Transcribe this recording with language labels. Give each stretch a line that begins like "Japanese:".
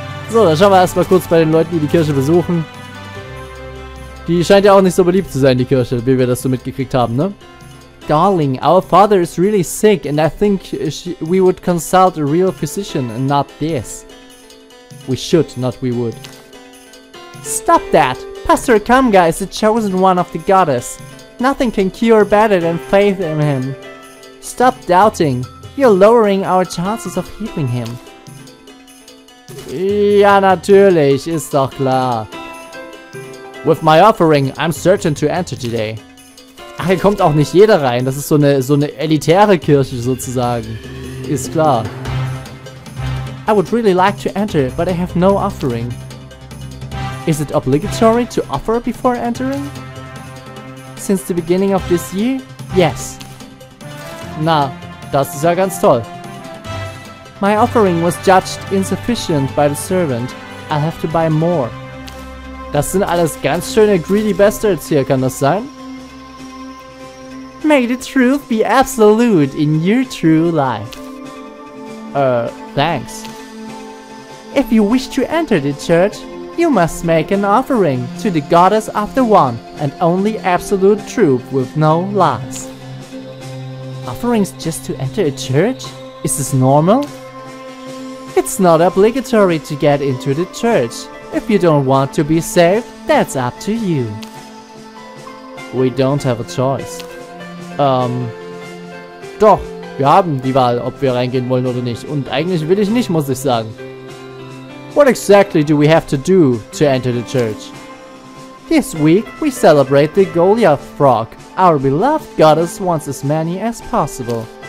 German: So, dann schauen wir erstmal kurz bei den Leuten, die die Kirche besuchen. Die scheint ja auch nicht so beliebt zu sein, die Kirche, wie wir das so mitgekriegt haben, ne?
English: Darling, our father is really sick and I think we would consult a real physician and not this. We should, not we would. Stop that! Pastor Kamga is the chosen one of the goddess. Nothing can cure better than faith in him. Stop doubting. You're lowering our chances of healing him.
German: Ja, natürlich, ist doch klar.
English: With my offering, I'm certain to enter today.
German: Ach, hier kommt auch nicht jeder rein. Das ist so eine elitäre Kirche sozusagen. Ist klar.
English: I would really like to enter, but I have no offering. Is it obligatory to offer before entering? Since the beginning of this year? Yes.
German: Na, das ist ja ganz toll.
English: My offering was judged insufficient by the servant. I'll have to buy more.
German: Das sind alles ganz schöne
English: greedy bastards
German: hier, kann das sein?
English: May the truth be absolute in your true life. Thanks. If you wish to enter the church, you must make an offering to the goddess of the one and only absolute truth with no lies. Offerings just to enter a church? Is this normal? It's not obligatory to get into the church. If you don't want to be saved, that's up to you. We don't have a choice.
German: Doch, wir haben die Wahl, ob wir reingehen wollen oder nicht. Und eigentlich will ich nicht, muss ich sagen.
English: What exactly do we have to do to enter the church? This week, we celebrate the Goliath Frog. Our beloved goddess wants as many as possible.